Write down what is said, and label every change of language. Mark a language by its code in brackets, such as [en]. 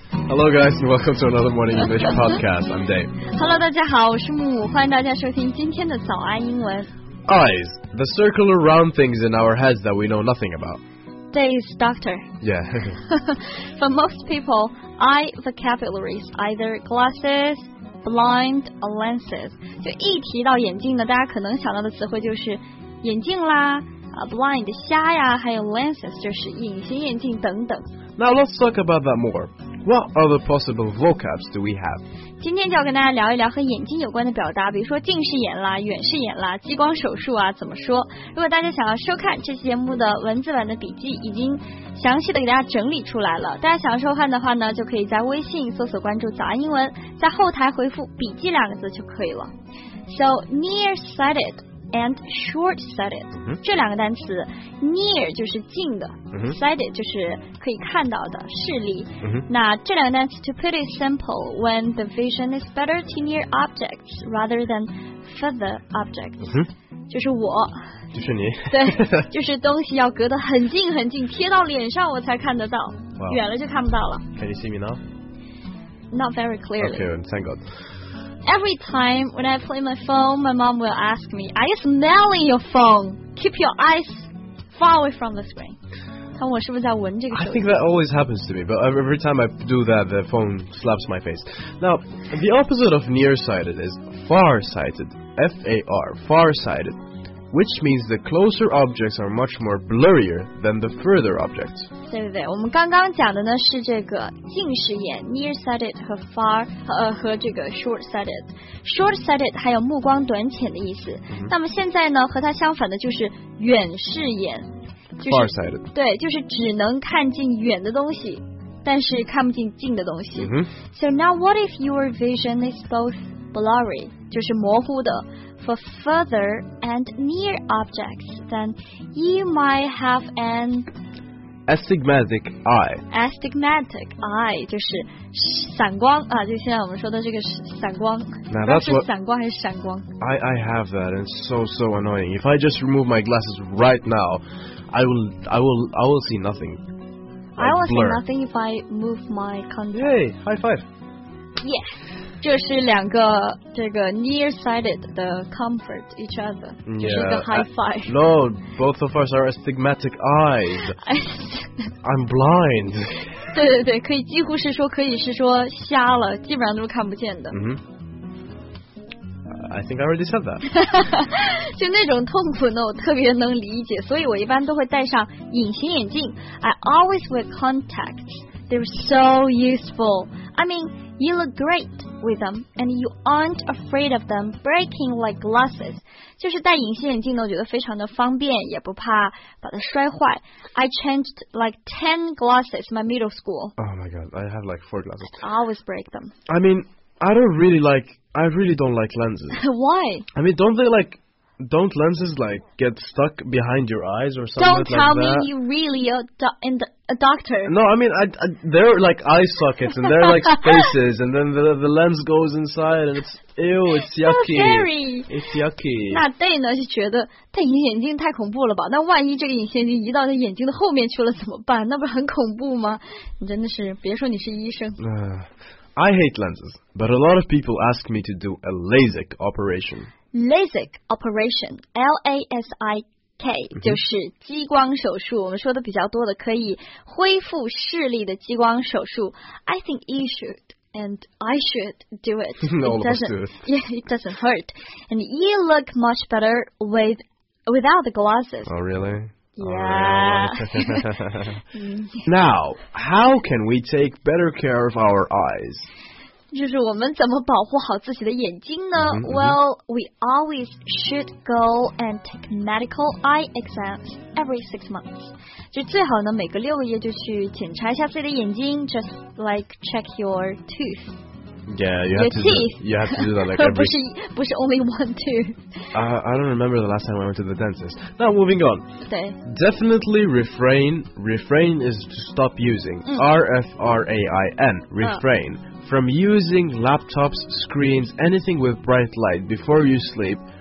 [en] Hello, guys, and welcome to another Morning English podcast. I'm Dave. [zh] Hello, 大家好，我是木木，欢迎大家收听今天的早安英文。 [en] Eyes, the circular round things in our heads that we know nothing about. Dave's doctor. Yeah. For most people, eye vocabulary is either glasses, blind, or lenses. [zh] 就一提到眼镜呢，大家可能想到的词汇就是眼镜啦。 Blind, 瞎呀，还有 lenses, 就是隐形眼镜等等。 [en] Now let's talk about that more. What other possible vocabs do we have? [zh] 今天就要跟大家聊一聊和眼睛有关的表达，比如说近视眼啦、远视眼啦、激光手术啊，怎么说？如果大家想要收看这期节目的文字版的笔记，已经详细的给大家整理出来了。大家想要收看的话呢，就可以在微信搜索关注早安英文，在后台回复笔记两个字就可以了。 [en] So, nearsighted. And short-sighted、mm-hmm. [zh] 这两个单词 near 就是近的、mm-hmm. sighted 就是可以看到的视力、mm-hmm. 那这两个单词 [en] to put it simple when the vision is better to near objects rather than further objects、mm-hmm. [zh] 就是我就是你对就是东西要隔得很近很近贴到脸上我才看得到、 [en] wow. [zh] 远了就看不到了 [en] Can you see me now? Not very clearly Okay, thank God Every time when I play my phone, my mom will ask me, Are you smelling your phone? Keep your eyes far away from the screen. [zh] 看我是不是在闻这个手机。 [en] I think that always happens to me, but every time I do that, the phone slaps my face. Now, the opposite of nearsighted is farsighted, F-A-R, farsighted, which means the closer objects are much more blurrier than the further objects. [zh] 对对对，我们刚刚讲的呢是这个近视眼 nearsighted 和 far 和这个 shortsighted. Shortsighted 还有目光短浅的意思。那么现在呢，和它相反的就是远视眼，就是 [en] farsighted. [zh] 对，就是只能看近远的东西，但是看不进近的东西。 [en] So now, what if your vision is both blurry, [zh] 就是模糊的？ [en] For further and near objects, then you might have an astigmatic eye. [zh] Astigmatic eye 就是散光啊，就现在我们说的这个散光。 [en] Now that's what [zh] 散光还是闪光 [en] ？I have that, and it's so annoying. If I just remove my glasses right now, I will see nothing. I will see nothing if I move my contacts. Hey, high five. Yes. [zh] 这是两个这个 nearsighted 的 [en] comfort each other、 yeah. [zh] 就是一个 high five [en] No, both of us are astigmatic eyes I'm blind [zh] 对对对可以几乎是说可以是说瞎了基本上都是看不见的、 [en] mm-hmm. I think I already said that [zh] 就那种痛苦呢我特别能理解所以我一般都会戴上隐形眼镜 [en] I always wear contacts They're so useful I mean, you look greatwith them and you aren't afraid of them breaking like glasses [zh] 就是戴隐形眼镜呢我觉得非常的方便也不怕把它摔坏 [en] I changed like 10 glasses in my middle school Oh my god I have like 4 glasses I always break them I mean I don't really like I really don't like lenses Why? I mean don't they like Don't lenses like get stuck behind your eyes or something don't like that? Don't tell me you really a doctor. No, I mean, they're like eye sockets and they're like spaces and then the lens goes inside and it's, ew, it's yucky. So scary. It's yucky. [zh] 那 Day 呢就觉得戴隐形眼镜太恐怖了吧那万一这个隐形眼镜移到他眼睛的后面去了怎么办那不是很恐怖吗你真的是别说你是医生。 [en] I hate lenses, but a lot of people ask me to do a LASIK operation. LASIK operation, L-A-S-I-K,、mm-hmm. [zh] 就是激光手术。我们说的比较多的可以恢复视力的激光手术。 [en] I think you should, and I should do it. It doesn't hurt. And you look much better without the glasses. Oh, really? Yeah. Now, how can we take better care of our eyes? [zh] 就是我们怎么保护好自己的眼睛呢 [en] Well, we always should go and take medical eye exams every 6 months. [zh] 就最好呢每个六个月就去检查一下自己的眼睛 [en] just like check your tooth. Yeah, you have to do that like every... [zh] 不是 [en] only one tooth. I don't remember the last time I went to the dentist. Now, moving on. [zh] 对 [en] Definitely refrain. Refrain is to stop using.、Mm. R-F-R-A-I-N. Refrain.、From using laptops, screens, anything with bright light before you sleep